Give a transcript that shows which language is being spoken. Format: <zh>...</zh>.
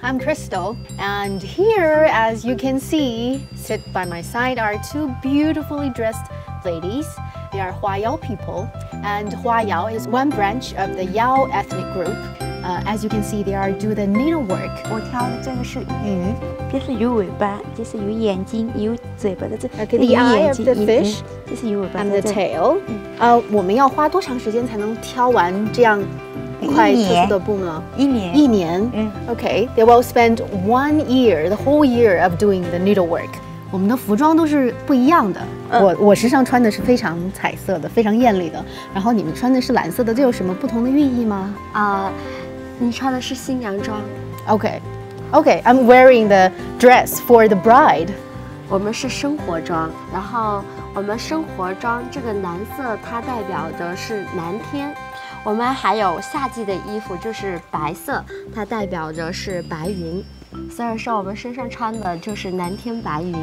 <en>I'm Crystal, and here, as you can see, sit by my side are two beautifully dressed ladies. They are Huayao people, and Huayao is one branch of the Yao ethnic group. As you can see, they are do the needlework.</en> <zh>我挑的这个是鱼，这是鱼尾巴，这是鱼眼睛，鱼嘴巴的这。</zh> <en>Okay, the eye of the fish.</en> <zh>这是鱼尾巴。</zh> <en>And the tail.</en> <zh>我们要花多长时间才能挑完这样一块特殊的布呢？一年。嗯。</zh> <en>Okay, they will spend 1 year, the whole year of doing the needlework.</en> <zh>我们的服装都是不一样的。我身上穿的是非常彩色的，非常艳丽的。然后你们穿的是蓝色的，这有什么不同的寓意吗？你穿的是新娘装。</zh> <en>Okay, I'm wearing the dress for the bride.</en> <zh>我们是生活装，然后我们生活装这个蓝色它代表的是蓝天。我们还有夏季的衣服就是白色，它代表着是白云。所以说我们身上穿的就是蓝天白云。</zh>